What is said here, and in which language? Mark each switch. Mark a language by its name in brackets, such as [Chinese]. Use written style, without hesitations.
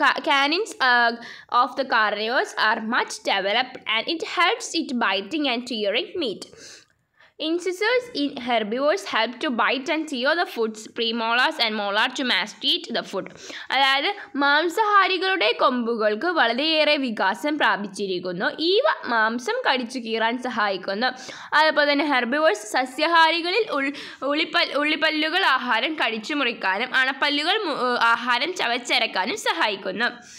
[English] Canines of the carnivores are much developed and it helps it biting and tearing meat. Incisors in herbivores help to bite and tear the foods, premolars and molar to masticate the food. [Malayalam] അതായത് മാംസഹാരികളുടെ കൊമ്പുകൾക്ക് വളരെയേറെ വികാസം പ്രാപിച്ചിരിക്കുന്നു. ഇവ മാംസം കടിച്ചു കീറാൻ സഹായിക്കുന്നു. അതേപോലെ തന്നെ herbivores സസ്യഹാരികളിൽ ഉള്ളിപ്പല്ലുകൾ ആഹാരം കടിച്ചു മുറിക്കാനും അണപ്പല്ലുകൾ ആഹാരം ചവച്ചരക്കാനും സഹായിക്കുന്നു.